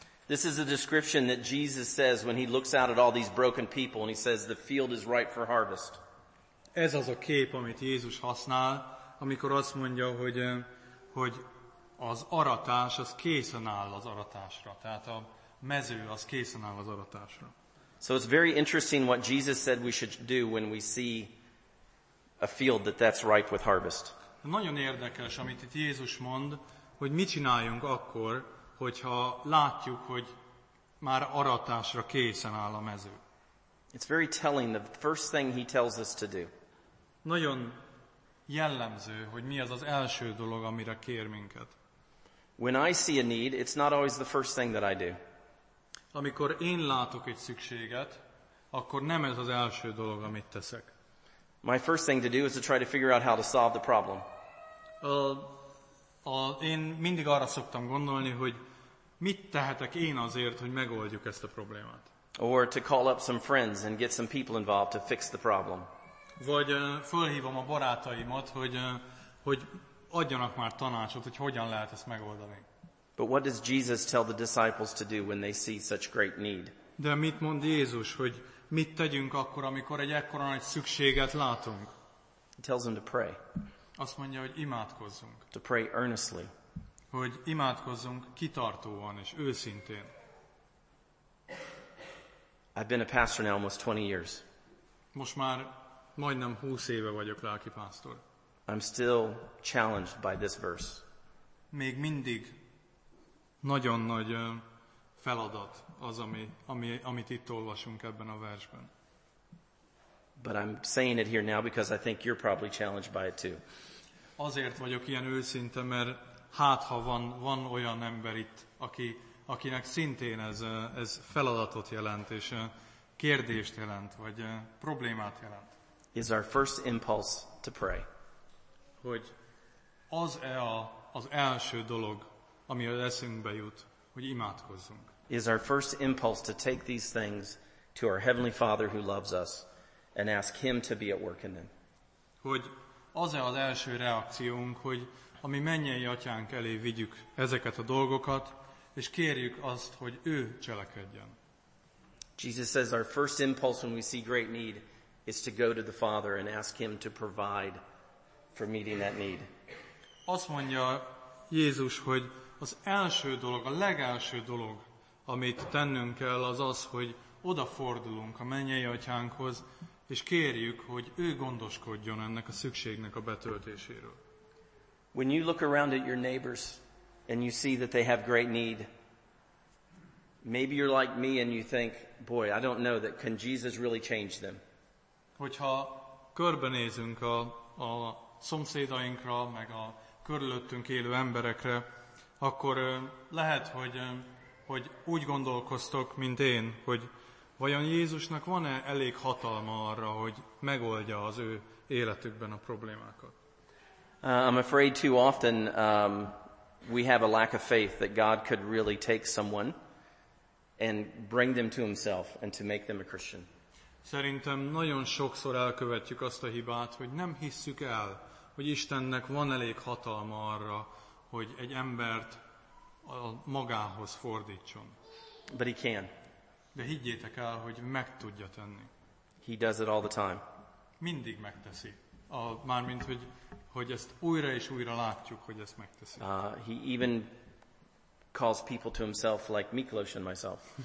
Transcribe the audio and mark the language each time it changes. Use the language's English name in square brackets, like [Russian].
[English] This is a description that Jesus says when he looks out at all these broken people and he says the field is ripe for harvest. [Hungarian] Ez az a kép, amit Jézus használ, amikor azt mondja, hogy az aratás az készen áll az aratásra. Tehát a mező az készen áll az aratásra. [English] So it's very interesting what Jesus said we should do when we see a field that's ripe with harvest. [Hungarian] Nagyon érdekes, amit itt Jézus mond, hogy mit csináljunk akkor, hogyha látjuk, hogy már aratásra készen áll a mező. [English] It's very telling, the first thing he tells us to do. [Hungarian] Nagyon jellemző, hogy mi az az első dolog, amire kér minket. [English] When I see a need, it's not always the first thing that I do. [Hungarian] Amikor én látok egy szükséget, akkor nem ez az első dolog, amit teszek. [English] My first thing to do is to try to figure out how to solve the problem. [Hungarian] Én mindig arra szoktam gondolni, hogy mit tehetek én azért, hogy megoldjuk ezt a problémát. [English] Or to call up some friends and get some people involved to fix the problem. [Hungarian] Vagy fölhívom a barátaimat, hogy adjanak már tanácsot, hogy hogyan lehet ezt megoldani. [English] But what does Jesus tell the disciples to do when they see such great need? [Hungarian] De mit mond Jézus, hogy mit tegyünk akkor, amikor egy ekkora nagy szükséget látunk? [English] He tells them to pray. [Hungarian] Azt mondja, hogy imádkozzunk. [English] To pray earnestly. [Hungarian] Hogy imádkozzunk kitartóan és őszintén. [English] I've been a pastor now almost 20 years. [Hungarian] Most már majdnem 20 éve vagyok lelkipásztor. [English] I'm still challenged by this verse. [Hungarian] Még mindig nagyon nagy feladat az, amit itt olvasunk ebben a versben. [English] But I'm saying it here now because I think you're probably challenged by it too. [Hungarian] Azért vagyok ilyen őszinte, mert hát ha van olyan ember itt, akinek szintén ez feladatot jelent, és kérdést jelent, vagy problémát jelent. [English] Is our first impulse to pray. [Hungarian] Hogy az-e az első dolog, ami az eszünkbe jut, hogy imádkozzunk. [English] Is our first impulse to take these things to our Heavenly Father who loves us and ask Him to be at work in them. [Hungarian] Hogy az-e az első reakciónk, hogy a mi mennyei atyánk elé vigyük ezeket a dolgokat, és kérjük azt, hogy ő cselekedjen. [English] Jesus says our first impulse when we see great need is to go to the Father and ask Him to provide for meeting that need. [Hungarian] Azt mondja Jézus, hogy az első dolog, a legelső dolog, amit tennünk kell, az az, hogy odafordulunk a mennyei atyánkhoz, és kérjük, hogy ő gondoskodjon ennek a szükségnek a betöltéséről. [English] When you look around at your neighbors and you see that they have great need, maybe you're like me and you think, boy, I don't know that can Jesus really change them. [Hungarian] Hogyha körbenézünk a szomszédainkra, meg a körülöttünk élő emberekre, akkor lehet, hogy úgy gondolkoztok, mint én, hogy vajon Jézusnak van-e elég hatalma arra, hogy megoldja az ő életükben a problémákat? [English] I'm afraid too often we have a lack of faith that God could really take someone and bring them to himself and to make them a Christian. [Hungarian] Szerintem nagyon sokszor elkövetjük azt a hibát, hogy nem hisszük el, hogy Istennek van elég hatalma arra, hogy egy embert magához fordítson. [English] But he can. [Hungarian] De higgyétek el, hogy meg tudja tenni. [English] He does it all the time. [Hungarian] Mindig megteszi. mármint hogy ezt újra és újra látjuk, hogy ezt megteszi. [English] He even calls people to himself like Miklos and myself.